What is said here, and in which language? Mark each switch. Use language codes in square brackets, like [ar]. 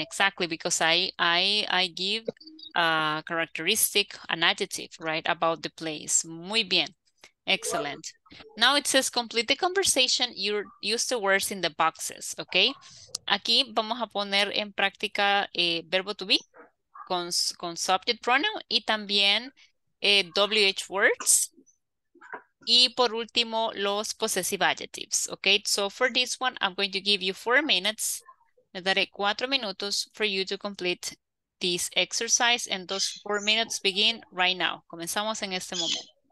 [en] exactly, because I give a characteristic, an adjective, right, about the place. [es] Muy bien. [en] Excellent. Now it says complete the conversation. You use the words in the boxes, okay? [es] Aquí vamos a poner en práctica verbo to be con subject pronoun y también WH words. Y por último, los possessive adjectives, okay? [en] So for this one, I'm going to give you 4 minutes. [es] Me daré 4 minutos [en] for you to complete this exercise. And those 4 minutes begin right now. [es] Comenzamos en este momento.